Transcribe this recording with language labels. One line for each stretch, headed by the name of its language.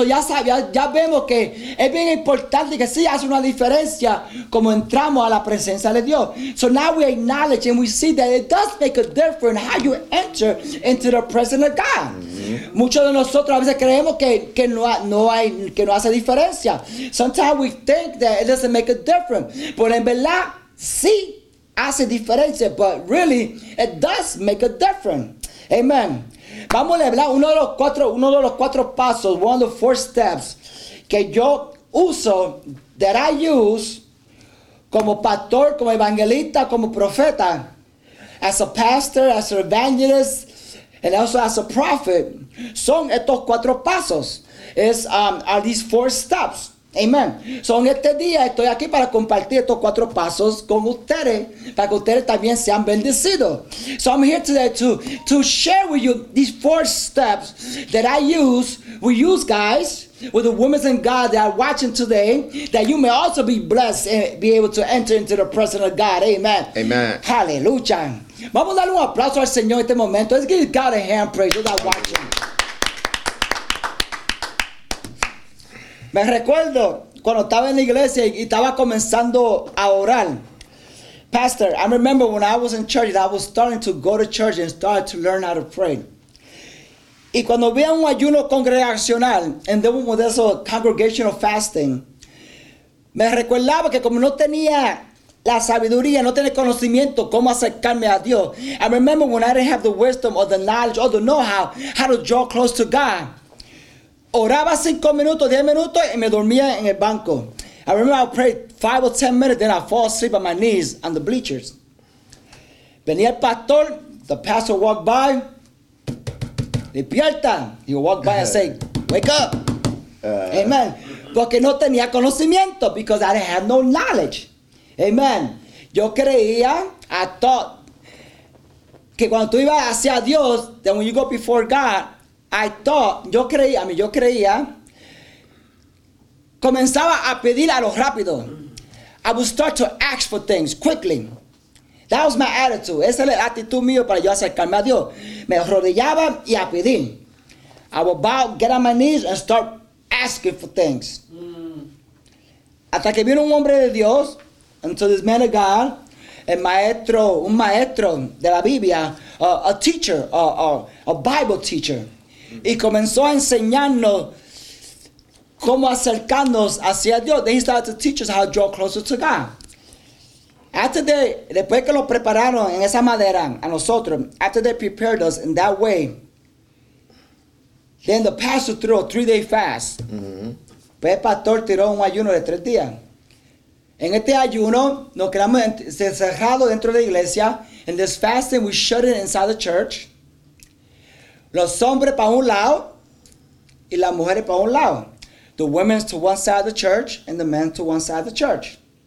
Spanish: Ya sabemos, ya vemos que es bien importante que sí hace una diferencia como entramos a la presencia de Dios.
English: So now we acknowledge and we see that it does make a difference how you enter into the presence of God.
Spanish: Muchos de nosotros a veces creemos que no hace diferencia.
English: Sometimes we think that it doesn't make a difference.
Spanish: Pero en verdad, sí hace diferencia.
English: But really, it does make a difference. Amen.
Spanish: Vamos a hablar uno de los cuatro pasos,
English: one of the four steps
Spanish: que yo uso,
English: that I use
Spanish: como pastor, como evangelista, como profeta,
English: as a pastor, as an evangelist, and also as a prophet,
Spanish: son estos cuatro pasos.
English: Are these four steps. Amen.
Spanish: So en este día estoy aquí para compartir estos cuatro pasos con ustedes, para que ustedes también sean bendecidos.
English: So I'm here today to share with you these four steps that I use, we use, guys, with the women and God that are watching today, that you may also be blessed and be able to enter into the presence of God. Amen. Amen.
Spanish: Hallelujah. Vamos a darle un aplauso al Señor en este momento.
English: Let's give God a hand praise. Those that are watching.
Spanish: Me recuerdo cuando estaba en la iglesia y estaba comenzando a orar.
English: Pastor, I remember when I was in church, I was starting to go to church and start to learn how to pray.
Spanish: Y cuando vi un ayuno congregacional, en uno de esos
English: congregational fasting,
Spanish: me recordaba que como no tenía la sabiduría, no tenía conocimiento cómo acercarme a Dios.
English: I remember when I didn't have the wisdom or the knowledge or the know-how how to draw close to God.
Spanish: Oraba 5 minutos, 10 minutos, y me dormía en el banco.
English: I remember I prayed 5 or 10 minutes, then I fall asleep on my knees on the bleachers.
Spanish: Venía el pastor,
English: the pastor walked by.
Spanish: Despierta.
English: He would walk by and say, wake up. Amen.
Spanish: Porque no tenía conocimiento,
English: because I didn't have no knowledge. Amen.
Spanish: Yo creía,
English: I thought,
Spanish: que cuando tú ibas hacia Dios,
English: then when you go before God, I thought,
Spanish: yo creía, comenzaba a pedir a lo rápido.
English: I would start to ask for things quickly. That was my attitude.
Spanish: Esa era la actitud mía para yo acercarme a Dios. Me arrodillaba y a pedir.
English: I would bow, get on my knees and start asking for things.
Spanish: Hasta que vino un hombre de Dios,
English: until this man of God,
Spanish: el maestro, un maestro de la Biblia,
English: a teacher, a Bible teacher.
Spanish: Y comenzó a enseñarnos cómo acercarnos hacia Dios.
English: Then he started to teach us how to draw closer to God. After they,
Spanish: después que lo prepararon en esa manera a nosotros,
English: after they prepared us in that way, then the pastor threw a 3-day fast. Mm-hmm.
Spanish: Pues el pastor tiró un ayuno de 3 días. En este ayuno, nos quedamos encerrados dentro de la iglesia.
English: In this fasting, we shut it inside the church.
Spanish: Los hombres para un lado y las mujeres para un lado.
English: The women to one side of the church and the men to one side of the church.